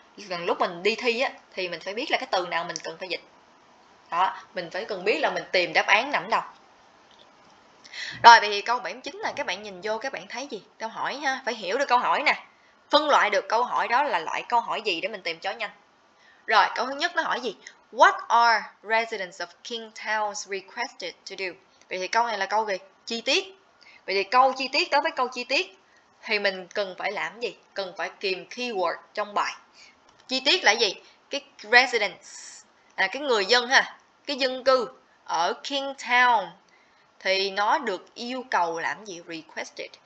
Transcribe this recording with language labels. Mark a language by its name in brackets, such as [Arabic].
[Vietnamese] Còn lúc mình đi thi á thì mình phải biết là cái từ nào mình cần phải dịch. Đó, mình phải cần biết là mình tìm đáp án nằm đâu. Rồi, vậy thì câu 79 là các bạn nhìn vô các bạn thấy gì? Câu hỏi ha, phải hiểu được câu hỏi nè. Phân loại được câu hỏi đó là loại câu hỏi gì để mình tìm cho nhanh. Rồi, câu thứ nhất nó hỏi gì? [English] What are residents of King Town requested to do? [Vietnamese] Vậy thì câu này là câu gì? Chi tiết. Vậy thì câu chi tiết đối với câu chi tiết thì mình cần phải làm gì? Cần phải kiềm keyword trong bài. Chi tiết là gì? Cái residents. À, cái người dân ha, cái dân cư ở King Town thì nó được yêu cầu làm gì? Requested.